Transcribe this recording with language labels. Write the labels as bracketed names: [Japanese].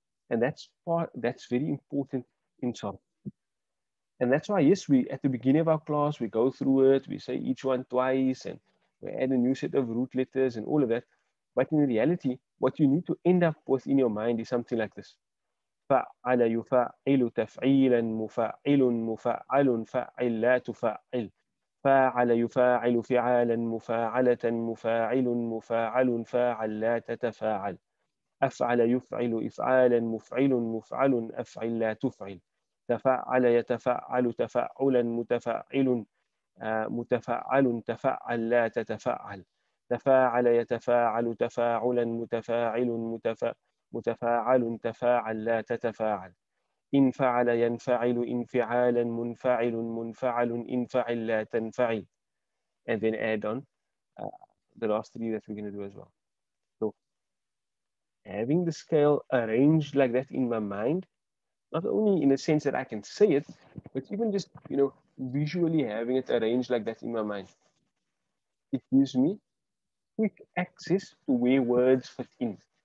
[English] And that's very important in Sarf. And that's why, yes, we at the beginning of our class, we go through it, we say each one twice, and we add a new set of root letters and all of that. But in reality, what you need to end up with in your mind is something like this. [Arabic] فَعَلَ يُفَعِلُ تَفْعِيلًا مُفَعِلٌ مُفَعَلٌ فَعِلْ لَا تُفَعِلْ فاعل يفاعل فعالا مفاعلة مفاعل مفاعل فاعل لا تتفاعل أفعل يفعل إفعالا مفعل مفعل أفعل لا تفعل تفعل يتفعل تفعلا متفعل متفعل تفعل لا تتفعل تفاعل يتفاعل تفاعلا متفاعل متفاعل تفاعل لا تتفاعل انفعل ينفعل انفعالا منفعل منفعل انفعل لا تنفعل. [English] And then add on the last three that we're going to do as well. So having the scale arranged like that in my mind, not only in a sense that I can say it, but even just, you know, visually having it arranged like that in my mind, it gives me quick access to where words fit in.